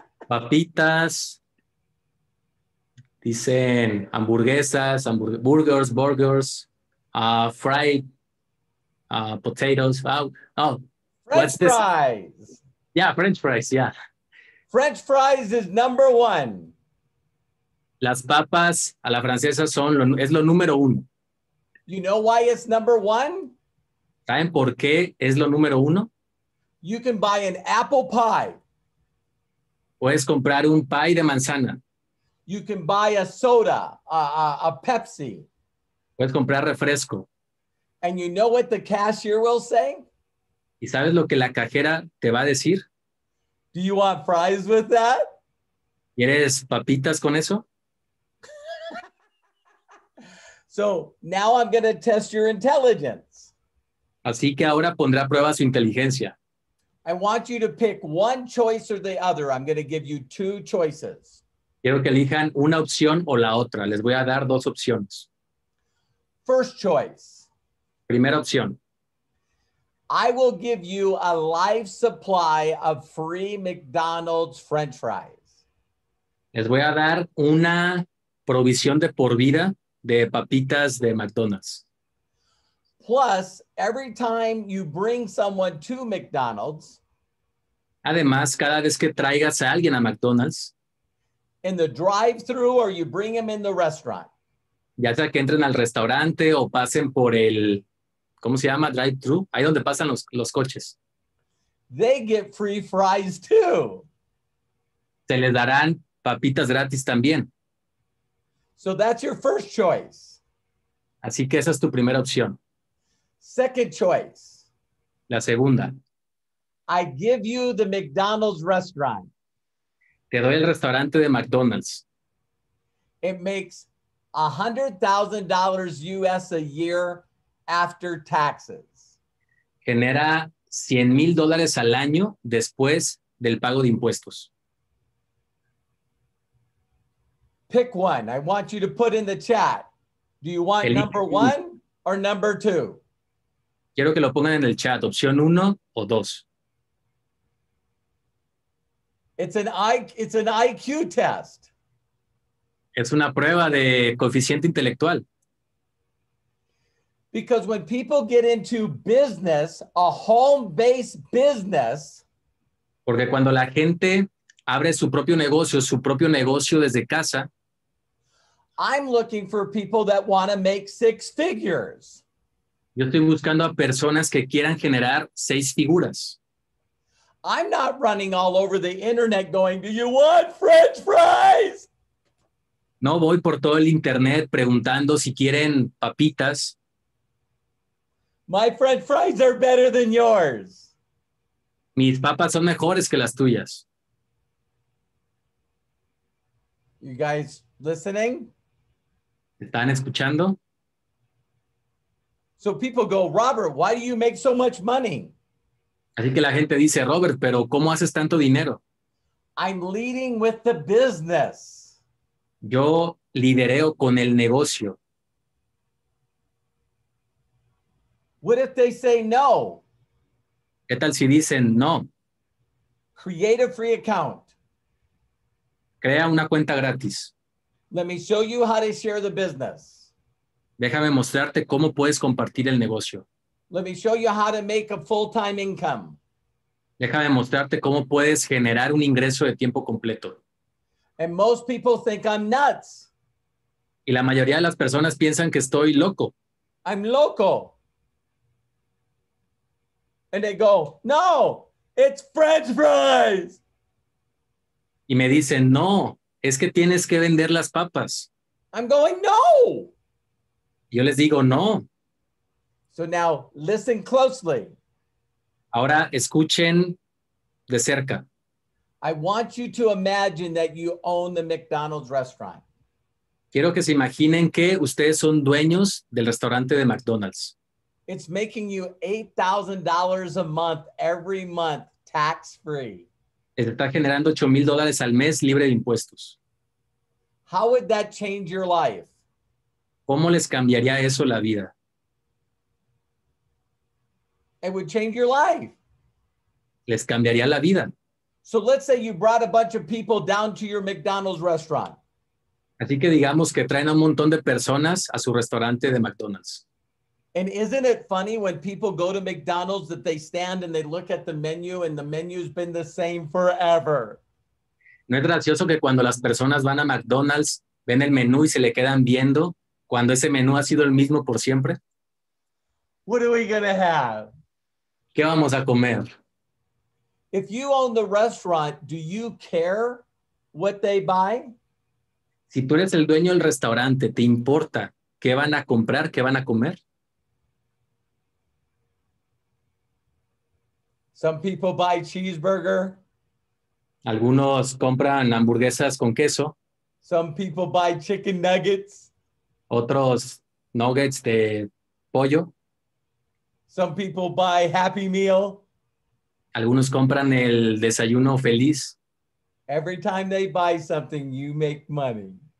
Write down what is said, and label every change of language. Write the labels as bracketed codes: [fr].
[es] Papitas. Dicen hamburguesas, [en] burgers, burgers, fried potatoes. Oh. French fries. Yeah, French fries, yeah. French fries is number one. [es] Las papas a la francesa son lo número uno. [en] You know why it's number one? [es] ¿Saben por qué es lo número uno? [en] You can buy an apple pie. [es] Puedes comprar un pie de manzana. [en] You can buy a soda, a Pepsi. [es] Puedes comprar refresco. [en] And you know what the cashier will say? [es] ¿Y sabes lo que la cajera te va a decir? [en] Do you want fries with that? [es] ¿Quieres papitas con eso? [en] So now I'm going to test your intelligence. [es] Así que ahora pondré a prueba su inteligencia. [en] I want you to pick one choice or the other. I'm going to give you two choices. [es] Quiero que elijan una opción o la otra. Les voy a dar dos opciones. [en] First choice. [es] Primera opción. [en] I will give you a life supply of free McDonald's French fries. [es] Les voy a dar una provisión de por vida de papitas de McDonald's. [en] Plus, every time you bring someone to McDonald's. [es] Además, cada vez que traigas a alguien a McDonald's. [en] In the drive-through or you bring him in the restaurant. [es] Ya sea que entren al restaurante o pasen por el, ¿cómo se llama? Drive-thru. Ahí donde pasan los coches. [en] They get free fries too. [es] Se les darán papitas gratis también. [en] So that's your first choice. [es] Así que esa es tu primera opción. [en] Second choice. [es] La segunda. [en] I give you the McDonald's restaurant. [es] Te doy el restaurante de McDonald's. [en] It makes $100,000 US a year after taxes. [es] Genera $100,000 al año después del pago de impuestos. [en] Pick one. I want you to put in the chat. Do you want number one or number two? [es] Quiero que lo pongan en el chat. Opción uno o dos. [en] It's an IQ test. [es] Es una prueba de coeficiente intelectual. [en] Because when people get into business, a home-based business. [es] Porque cuando la gente abre su propio negocio desde casa. [en] I'm looking for people that want to make six figures. [es] Yo estoy buscando a personas que quieran generar seis figuras. [en] I'm not running all over the internet going, do you want French fries? [es] No voy por todo el internet preguntando si quieren papitas. [en] My French fries are better than yours. [es] Mis papas son mejores que las tuyas. [en] You guys listening? [es] ¿Están escuchando? [en] So people go, Robert, why do you make so much money? [es] Así que la gente dice, Robert, pero ¿cómo haces tanto dinero? [en] I'm leading with the business. [es] Yo lidereo con el negocio. [en] What if they say no? [es] ¿Qué tal si dicen no? [en] Create a free account. [es] Crea una cuenta gratis. [en] Let me show you how to share the business. [es] Déjame mostrarte cómo puedes compartir el negocio. [en] Let me show you how to make a full-time income. [es] Déjame mostrarte cómo puedes generar un ingreso de tiempo completo. [en] And most people think I'm nuts. [es] Y la mayoría de las personas piensan que estoy loco. [en] I'm loco. And they go, no, it's French fries. [es] Y me dicen, no, es que tienes que vender las papas. [en] I'm going, no. [es] Yo les digo, no. [en] So now, listen closely. [es] Ahora, escuchen de cerca. [en] I want you to imagine that you own the McDonald's restaurant. [es] Quiero que se imaginen que ustedes son dueños del restaurante de McDonald's. [en] It's making you $8,000 a month, every month, tax-free. [es] Está generando $8,000 al mes, libre de impuestos. [en] How would that change your life? [es] ¿Cómo les cambiaría eso la vida? [en] It would change your life. [es] Les cambiaría la vida. [en] So let's say you brought a bunch of people down to your McDonald's restaurant. [es] Así que digamos que traen a un montón de personas a su restaurante de McDonald's. [en] And isn't it funny when people go to McDonald's that they stand and they look at the menu and the menu's been the same forever? [es] ¿No es gracioso que cuando las personas van a McDonald's ven el menú y se le quedan viendo cuando ese menú ha sido el mismo por siempre? [en] What are we going to have? [es] ¿Qué vamos a comer? [en] If you own the restaurant, do you care what they buy? [es] Si tú eres el dueño del restaurante, ¿te importa qué van a comprar, qué van a comer? [en] Some people buy cheeseburger. [es] Algunos compran hamburguesas con queso. [en] Some people buy chicken nuggets. [es] Otros nuggets de pollo. [en] Some people buy Happy Meal. [es] Algunos compran el desayuno feliz. [en] Every time they buy something, you make money.